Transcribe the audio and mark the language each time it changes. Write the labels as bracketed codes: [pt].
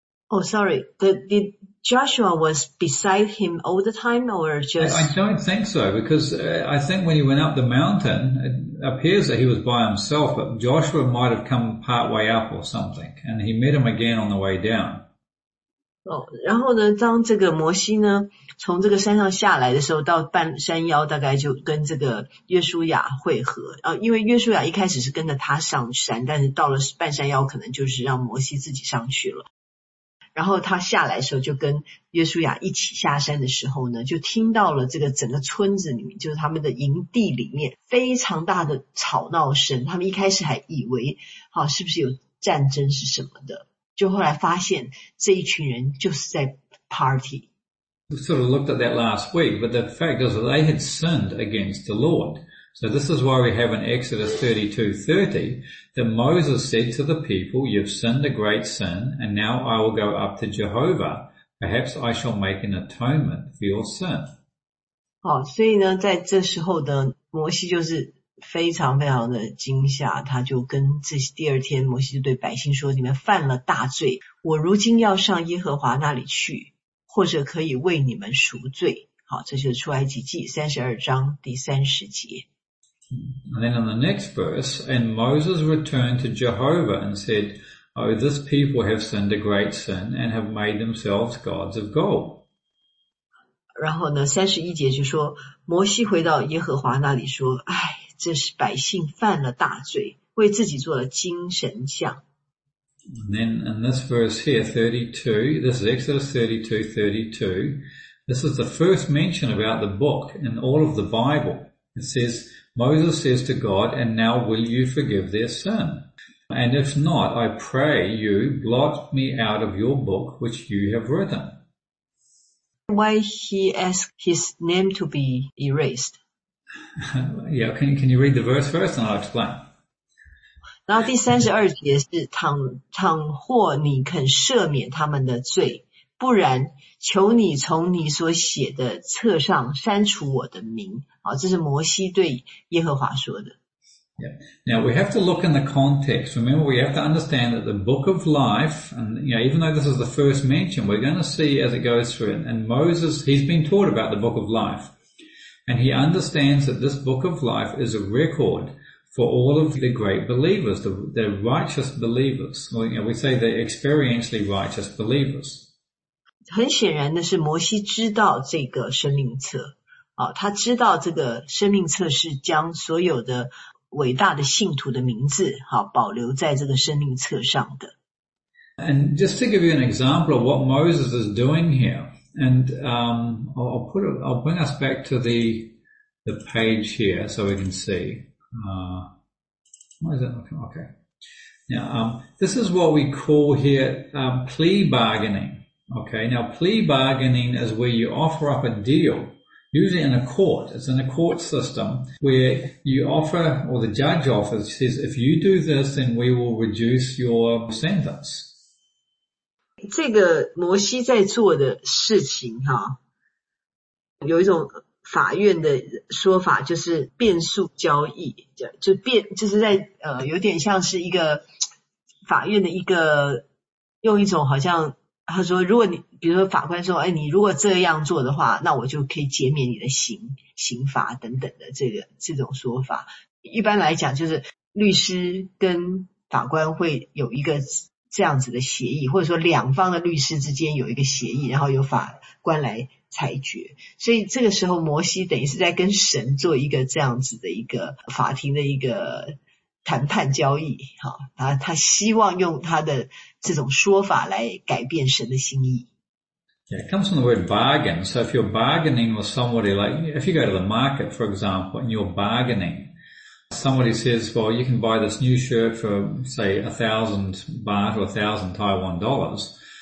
[en] Oh, sorry. Joshua was beside him all the time or just... I don't think so, because I think when he went up the mountain, it appears that he was by himself, but Joshua might have come partway up or something, and he met him again on the way down. [zh] 哦、然后呢当这个摩西呢从这个山上下来的时候到半山腰大概就跟这个约书亚会合、因为约书亚一开始是跟着他上山但是到了半山腰可能就是让摩西自己上去了然后他下来的时候就跟约书亚一起下山的时候呢就听到了这个整个村子里面就是他们的营地里面非常大的吵闹声他们一开始还以为、啊、是不是有战争是什么的就后来发现这一群人就是在 party. [en] We sort of looked at that last week, but the fact is that they had sinned against the Lord. So this is why we have in Exodus 32:30 that Moses said to the people, you've sinned a great sin, and now I will go up to Jehovah. Perhaps I shall make an atonement for your sin. [zh] 好，所以呢，在这时候的摩西就是非常非常的惊吓他就跟这第二天摩西就对百姓说你们犯了大罪我如今要上耶和华那里去或者可以为你们赎罪好这就是出埃及记32章第30节 [en] And then in the next verse And Moses returned to Jehovah and said Oh this people have sinned a great sin and have made themselves gods of gold [zh] 然后呢31节就说摩西回到耶和华那里说唉这是百姓犯了大罪，为自己做了金神像。 [en] And then in this verse here, 32, this is Exodus 32:32. This is the first mention about the book in all of the Bible. It says, Moses says to God, and now will you forgive their sin? And if not, I pray you blot me out of your book which you have written. Why he asked his name to be erased? Yeah, can you read the verse first and I'll explain. [zh] 然后第32节是倘或你肯赦免他们的罪不然求你从你所写的册上删除我的名、哦、这是摩西对耶和华说的。 [en] Yeah. Now we have to look in the context. Remember we have to understand that the book of life, and you know, even though this is the first mention, we're going to see as it goes through it, and Moses, he's been taught about the book of life. And he understands that this book of life is a record for all of the great believers, the righteous believers. Well, you know, we say the experientially righteous believers. [zh] 很显然的是摩西知道这个生命册、哦、他知道这个生命册是将所有的伟大的信徒的名字、哦、保留在这个生命册上的。 [en] And just to give you an example of what Moses is doing here,And, I'll bring us back to the page here so we can see. Why is that looking? Okay. Now, this is what we call here, plea bargaining. Okay. Now, plea bargaining is where you offer up a deal, usually in a court. It's in a court system where you offer, or the judge offers, says, if you do this, then we will reduce your sentence. [zh] 这个摩西在做的事情、啊、有一种法院的说法就是变数交易 就是在、有点像是一个法院的一个用一种好像他说如果你比如说法官说、哎、你如果这样做的话那我就可以减免你的 刑罚等等的、这个、这种说法一般来讲就是律师跟法官会有一个这样子的协议或者说两方的律师之间有一个协议然后由法官来裁决所以这个时候摩西等于是在跟神做一个这样子的一个法庭的一个谈判交易他希望用他的这种说法来改变神的心意 [en] Yeah, it comes from the word bargain so if you're bargaining with somebody like if you go to the market for example and you're bargainingSomebody says, well, you can buy this new shirt for, say, 1,000 baht or 1,000 Taiwan dollars.